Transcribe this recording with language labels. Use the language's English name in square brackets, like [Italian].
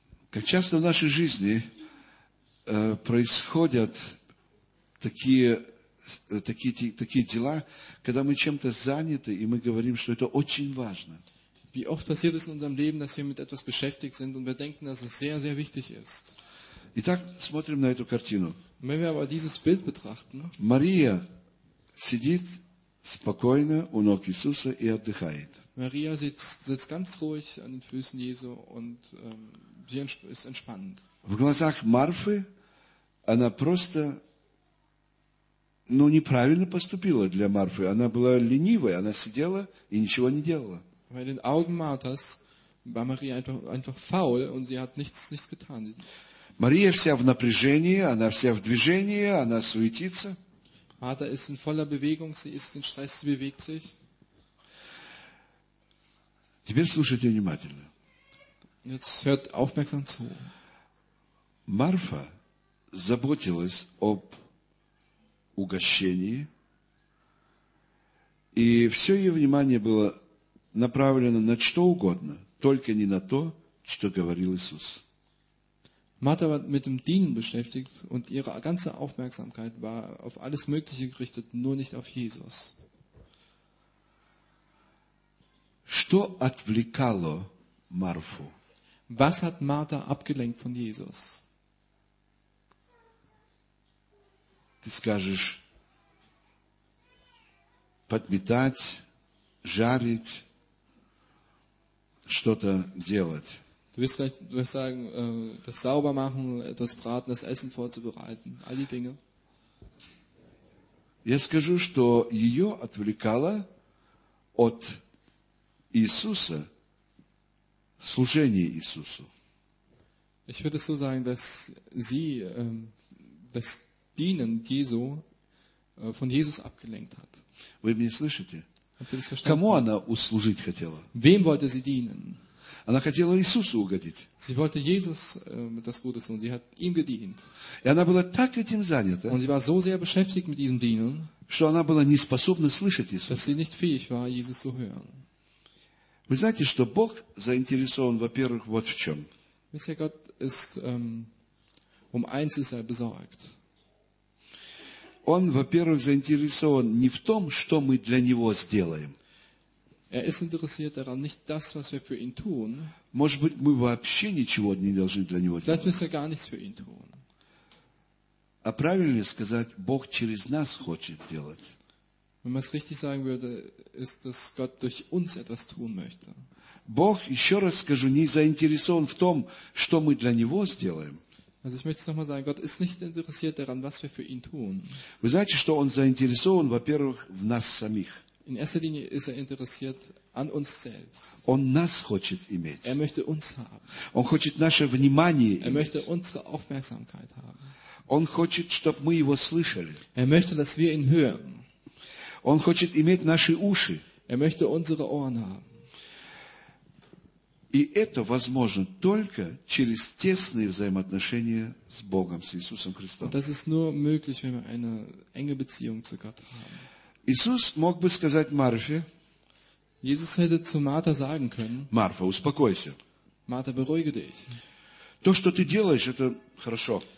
[Russian] Как часто в нашей жизни происходят такие дела, когда мы чем-то заняты, и мы говорим, что это очень важно. [German] Wie oft passiert es in unserem Leben, dass wir mit etwas beschäftigt sind und wir denken, dass es sehr, sehr wichtig ist. [Russian] Итак, смотрим на эту картину. [German] Wenn wir aber dieses Bild betrachten, [Russian] Мария сидит спокойно у ног Иисуса и отдыхает. [German] Maria sitzt ganz ruhig an den Füßen Jesu und sie ist entspannt. [Russian] В глазах Марфы она просто, ну, неправильно поступила для Марфы. Она была ленивой, она сидела и ничего не делала. [German] Bei den Augen Marthas war Maria einfach faul und sie hat nichts getan. [Russian] Мария вся в напряжении, она вся в движении, она суетится. [German] Martha ist in voller Bewegung, sie ist in Stress, sie bewegt sich. [Russian] Теперь слушайте внимательно. [German] Jetzt hört aufmerksam zu. [Russian] Марфа заботилась об угощении, и все ее внимание было направлено на что угодно, только не на то, что говорил Иисус. [German] Martha war mit dem Dienen beschäftigt und ihre ganze Aufmerksamkeit war auf alles Mögliche gerichtet, nur nicht auf Jesus. [Russian] Что отвлекало Марфу? [German] Was hat Martha abgelenkt von Jesus? [Russian] Ты скажешь: подметать, жарить, что-то делать. [German] Du wirst vielleicht sagen, das Saubermachen, etwas braten, das Essen vorzubereiten, all die Dinge. [Russian] Я скажу, что ее отвлекало от Иисуса служение Иисусу. [German] Ich würde so sagen, dass sie das Dienen Jesu von Jesus abgelenkt hat. [Russian] Вы меня слышите? Кому она услужить хотела? [German] Wem wollte sie dienen? [Russian] Она хотела Иисусу угодить. [German] Sie wollte Jesus das Gute tun. Sie hat ihm gedient. [Russian] И она была так этим занята. [German] Und sie war so sehr beschäftigt mit diesem Dienen, [Russian] что она была не способна слышать Иисуса. [German] Dass sie nicht fähig war, Jesus zu hören. [Russian] Вы знаете, что Бог заинтересован, во-первых, вот в чем. [German] Wisst ihr, Gott ist um eins ist er besorgt. [Russian] Он, во-первых, заинтересован не в том, что мы для него сделаем. [German] Er ist interessiert daran, nicht das, was wir für ihn tun. [Russian] Может быть, мы вообще ничего не должны для него делать. [German] Vielleicht müssen wir gar nichts für ihn tun. [Russian] А правильно сказать, Бог через нас хочет делать. [German] Wenn man es richtig sagen würde, ist, dass Gott durch uns etwas tun möchte. [Russian] Бог, еще раз скажу, не заинтересован в том, что мы для него сделаем. [German] Also ich möchte es nochmal sagen, Gott ist nicht interessiert daran, was wir für ihn tun. [Russian] Вы знаете, что он заинтересован, во-первых, в нас самих. [German] In erster Linie ist er interessiert an uns selbst. [Russian] Он нас хочет иметь. [German] Er möchte uns haben. [Russian] Он хочет наше внимание иметь. [German] Er möchte unsere Aufmerksamkeit haben. [Russian] Он хочет, чтобы мы его слышали. [German] Er möchte, dass wir ihn hören. [Russian] Он хочет иметь наши уши. [German] Er möchte unsere Ohren haben. [Russian] И это возможно только через тесные взаимоотношения с Богом, с Иисусом Христом. [German] Das ist nur möglich, wenn wir eine enge Beziehung zu Gott haben. [Russian] Иисус мог бы сказать Марфе. [German] Jesus hätte zu Martha sagen können. [Russian] Марфа, успокойся. [German] Martha, beruhige dich. [Russian] То, что ты делаешь, это хорошо.